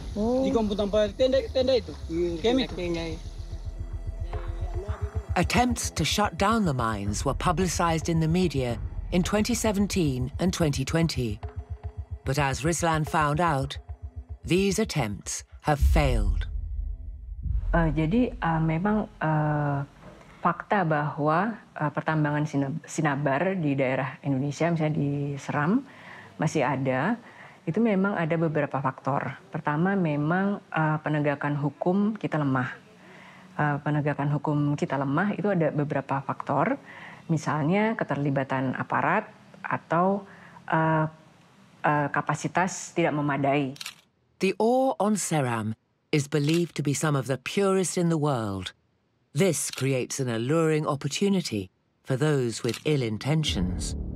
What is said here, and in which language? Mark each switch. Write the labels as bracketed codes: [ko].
[id] Di kompon tempat tenda itu, kami tenda. [en] Attempts to shut down the mines were publicized in the media in 2017 and 2020, but as Rislan found out, these attempts have failed. [id] Jadi memang fakta bahwa pertambangan sinabar di daerah Indonesia, misalnya di Seram, masih ada. Itu memang ada beberapa faktor. Pertama, memang penegakan hukum kita lemah. Penegakan hukum kita lemah itu ada beberapa faktor. Misalnya keterlibatan aparat atau kapasitas tidak memadai. [en] The ore on Seram is believed to be some of the purest in the world. This creates an alluring opportunity for those with ill intentions.